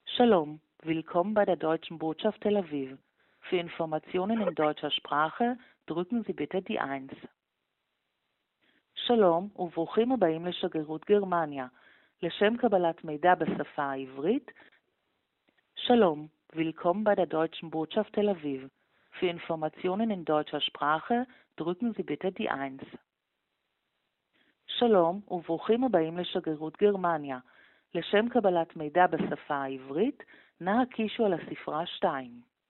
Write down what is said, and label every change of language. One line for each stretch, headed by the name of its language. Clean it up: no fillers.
German: Shalom, willkommen bei der Deutschen Botschaft Tel Aviv. Für Informationen in deutscher Sprache drücken Sie bitte die 1.
Hebrew: Shalom וברוכים הבאים לשגרירות גרמניה. לשם קבלת מידע בשפה העברית,
German: Shalom, willkommen bei der Deutschen Botschaft Tel Aviv. Für Informationen in deutscher Sprache drücken Sie bitte die 1.
Hebrew: Shalom וברוכים הבאים לשגרירות גרמניה. לשם קבלת מידע בשפה העברית, נא הקישו על הספרה 2.